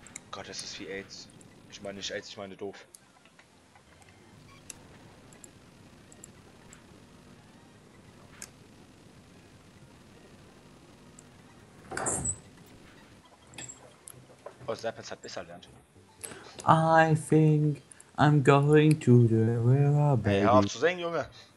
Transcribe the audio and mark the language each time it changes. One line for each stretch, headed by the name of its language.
German: Gott, das ist wie AIDS. Ich meine nicht AIDS, ich meine doof. Oh, Serpents hat besser gelernt.
English: I think I'm going to the river, baby.
German: Hey, hör auf zu singen, Junge!